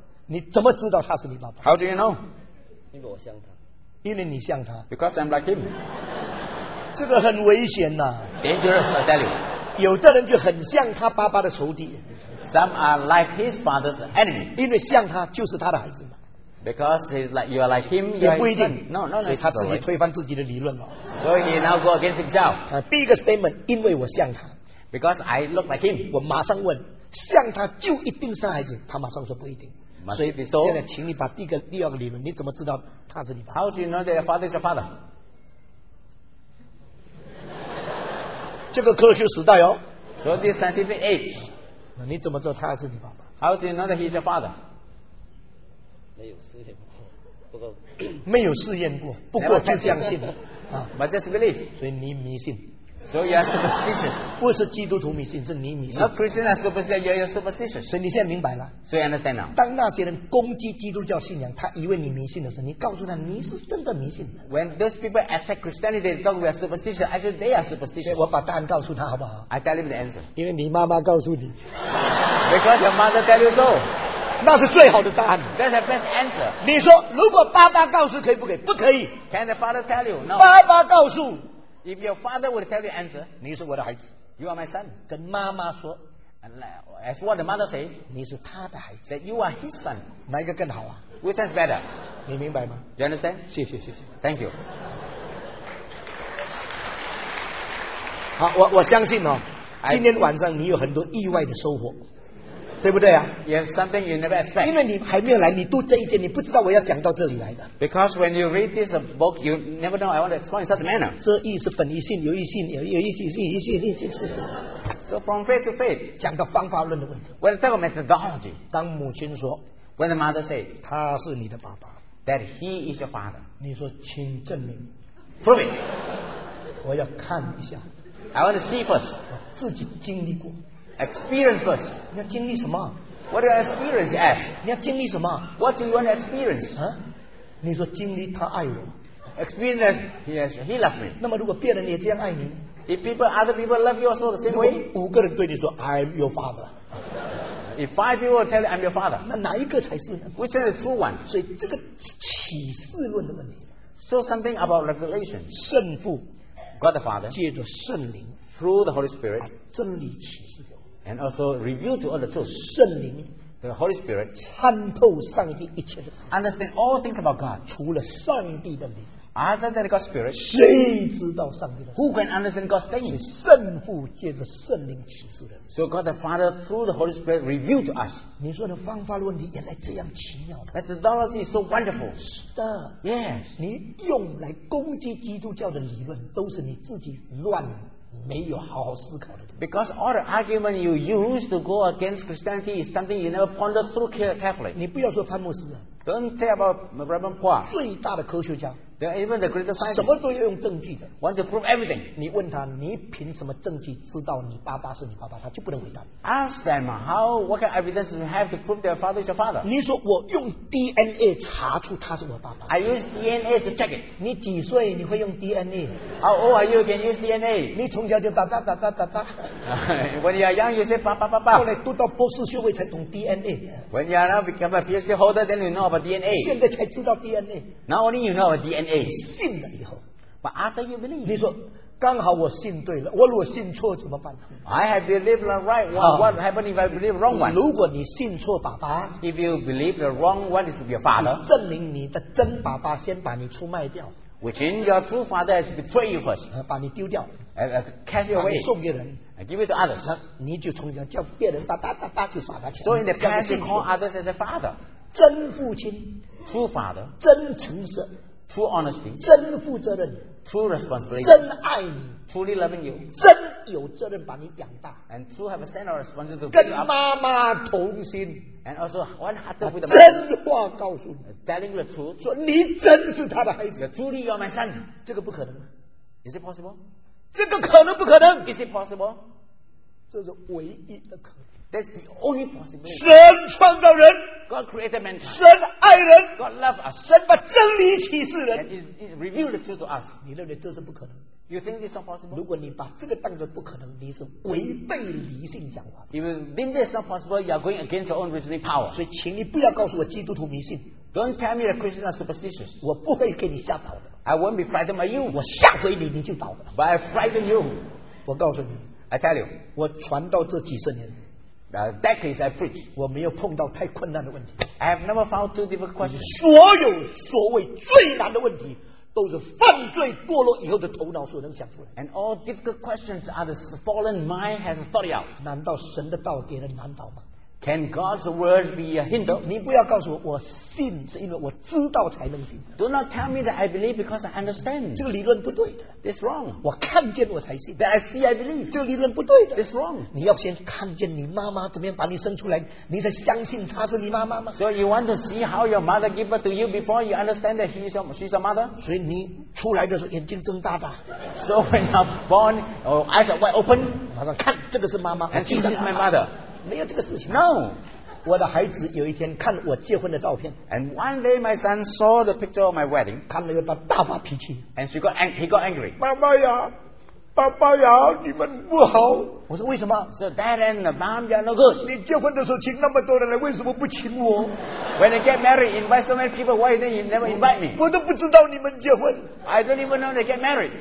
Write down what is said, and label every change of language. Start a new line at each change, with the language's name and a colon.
Chinese: 你怎么知道他是你爸爸？
English: How do you know?
Chinese: 因为我像他。因为你像他。
English: Because I'm like him.
Chinese: 这个很危险呐。
English: Dangerous, I tell you.
Chinese: 有的人就很像他爸爸的仇敌。
English: Some are like his father's enemy.
Chinese: 因为像他就是他的孩子嘛。
English: Because he's like you are like him,
Chinese: 也不一定。
English: No,
Chinese: 所以他自己推翻自己的理论了。
English: So he now go against himself.
Chinese: 第一个 statement， 因为我像他。
English: Because I look like him.
Chinese: 我马上问，像他就一定是孩子？他马上说不一定。所以现在请你把第二个理论，你怎么知道他是你爸爸
English: ？How do you know that your father is your father？
Chinese: 这个科学时代哦。
English: So this scientific age。
Chinese: 那你怎么知道他是你爸爸
English: ？How do you know that he's your father？
Chinese: 没有试验过，不过没有试验过，不过就相信了
English: 啊。But just believe，
Chinese: 所以你迷信。
English: So you are superstitious，
Chinese: 不是基督徒迷信，是你迷信。
English: Not Christian are superstitious， you are superstitious。
Chinese: 所以你现在明白了。
English: So you understand now。
Chinese: 当那些人攻击基督教信仰，他以为你迷信的时候，你告诉他你是真的迷信的。
English: When those people attack Christianity, they thought we are superstitious. Actually, they are superstitious。
Chinese: 我把答案告诉他好不好
English: ？I tell him the answer。
Chinese: 因为你妈妈告诉你。
English: Because your mother tell you so。
Chinese: 那是最好的答案。
English: That's the best answer.
Chinese: 你说，如果爸爸告诉，可以不可以？不可以。
English: Can the father tell you? No.
Chinese: 爸爸告诉。
English: If your father would tell you answer,
Chinese: 你是我的孩子。
English: You are my son.
Chinese: 跟妈妈说。
English: As what the mother says,
Chinese: 你是他的孩子。
English: That you are his son.
Chinese: 哪一个更好啊
English: ？Which is better?
Chinese: 你明白吗
English: ？Do you understand?
Chinese: 谢谢。
English: Thank you.
Chinese: 好，我相信哦，今天晚上你有很多意外的收获。对不对啊
English: ？You have something you never expect.
Chinese: 因为你还没有来，你读这一节，你不知道我要讲到这里来的。
English: Because when you read this book, you never know I want to explain in such a manner.
Chinese: 这义是本于信，由于信，由于信，由于信，由于信是。
English: So from faith to faith.
Chinese: 讲到方法论的问题。
English: When talk about methodology.
Chinese: 当母亲说。
English: When the mother say.
Chinese: 他是你的爸爸。
English: That he is your father.
Chinese: 你说，请证明。
English: Prove it.
Chinese: 我要看一下。
English: I want to see first.
Chinese: 我自己经历过。
English: Experience first.
Chinese: 你要经历什么
English: ？What do you experience, Ash?
Chinese: 你要经历什么
English: ？What do you want to experience?
Chinese: 啊，你说经历他爱我。
English: Experience, yes, he loved me.
Chinese: 那么如果别人也这样爱你
English: ？If people, other people love you also the same way.
Chinese: 五个人对你说 ，
English: I'm your father. If five people tell you I'm your father,
Chinese: 那哪一个才是呢
English: ？Which is the true one?
Chinese: 所以这个启示论的问题。
English: So something about revelation.
Chinese: 圣父
English: ，God the Father，
Chinese: 借着圣灵
English: ，through the Holy Spirit，
Chinese: 真理启示。
English: And also reveal to all the truth.
Chinese: 圣灵
English: the Holy Spirit
Chinese: 参透上帝一切的事
English: Understand all things about God.
Chinese: 除了上帝的灵
English: Other than God's Spirit.
Chinese: 谁知道上帝的事
English: Who can understand God's things?
Chinese: 是圣父借着圣灵启示的
English: So God the Father through the Holy Spirit reveal to us.
Chinese: 你说的方法论题原来这样奇妙
English: Methodology is so wonderful.
Chinese: 是的
English: Yes.
Chinese: 你用来攻击基督教的理论都是你自己乱没有好好思考的
English: Because all the argument you use to go against Christianity is something you never pondered through carefully.
Chinese: 你不要说潘牧师
English: Don't tell about Reverend Hua.
Chinese: 最大的科学家。
English: Then even the greatest scientist.
Chinese: 什么都要用证据的。
English: Want to prove everything.
Chinese: 你问他，你凭什么证据知道你爸爸是你爸爸？他就不能回答你。
English: Ask them how, what kind of evidence you have to prove their father is your father.
Chinese: 你说我用 DNA 查出他是我爸爸。
English: I use DNA to check it.
Chinese: 你几岁你会用 DNA?
English: How old are you can use DNA?
Chinese: 你从小就爸爸爸爸爸爸。
English: When you are young, you say
Chinese: 爸爸爸爸。后来读到博士学位才懂 DNA.
English: When you are now become a PhD holder, then you know about DNA.
Chinese: 现在才知道 DNA.
English: Not only you know about DNA.
Chinese: 信了以后
English: But after you believe,
Chinese: 你说刚好我信对了，我如果信错怎么办？
English: I have believed the right one. What happened if I believe wrong one?
Chinese: 如果你信错爸爸，
English: if you believe the wrong one is your father,
Chinese: 证明你的真爸爸先把你出卖掉，
English: which in your true father to betray you first,
Chinese: 把你丢掉，
English: cast you away,
Chinese: 把你送给人，
English: give it to others.
Chinese: 你就从小叫别人爸爸爸爸去耍他钱。
English: So in the past, you call others as a father.
Chinese: 真父亲，
English: true father,
Chinese: 真诚实。
English: True honesty,
Chinese: 真负责任
English: true responsibility,
Chinese: 真爱你
English: truly loving you,
Chinese: 真有责任把你养大
English: and true have a sense of responsibility,
Chinese: 跟妈妈同心
English: and also one heart with the mother,
Chinese: 真话告诉你
English: telling the truth,
Chinese: 说你真是他的孩子
English: you're truly you're my son,
Chinese: 这个不可能
English: is it possible?
Chinese: 这个可能不可能
English: is it possible?
Chinese: 这是唯一的可能
English: That's the only possibility.
Chinese: 神创造人
English: God created man.
Chinese: 神爱人
English: God loved us.
Chinese: 神把真理启示人
English: And he revealed the truth to us.
Chinese: 你认为这是不可能？
English: You think this is not possible?
Chinese: 如果你把这个当作不可能，你是违背理性讲话。
English: If you think this is not possible, you are going against your own reasoning power.
Chinese: 所以，请你不要告诉我基督徒迷信。
English: Don't tell me that Christians are superstitious.
Chinese: 我不会给你吓倒的。
English: I won't be frightened by you.
Chinese: 我吓回你，你就倒了。
English: But I frighten you.
Chinese: 我告诉你
English: ，I tell you，
Chinese: 我传道这几十年。
English: Decades I preach.
Chinese: 我没有碰到太困难的问题。
English: I have never found two difficult questions.
Chinese: 所有所谓最难的问题，都是犯罪堕落以后的头脑所能想出来。
English: And all difficult questions are the fallen mind has thought out.
Chinese: 难道神的道给人难倒吗？
English: Can God's word be a hinder?
Chinese: 你不要告诉我，我信是因为我知道才能信。
English: Do not tell me that I believe because I understand.
Chinese: 这个理论不对的。
English: It's wrong.
Chinese: 我看见我才信。
English: That I see, I believe.
Chinese: 这个理论不对的。
English: It's wrong.
Chinese: 你要先看见你妈妈怎么样把你生出来，你才相信她是你妈妈吗？
English: So you want to see how your mother gave birth to you before you understand that she's your mother?
Chinese: 所以你出来的时候眼睛睁大大。
English: So when you're born, your eyes are wide open.
Chinese: 马上看，这个是妈妈。
English: And she's my mother.
Chinese: 没有这个事情。
English: No，
Chinese: 我的孩子有一天看我结婚的照片。
English: And one day my son saw the picture of my wedding，
Chinese: 看了又把大发脾气。
English: And she got angry, he got angry。
Chinese: 妈妈呀，爸爸呀，你们不好。我说为什么
English: ？So dad and the mom are no good。
Chinese: 你结婚的时候请那么多人来，为什么不请我
English: ？When I get married, invite so many people. Why didn't you never invite me？
Chinese: 我都不知道你们结婚。
English: I don't even know they get married。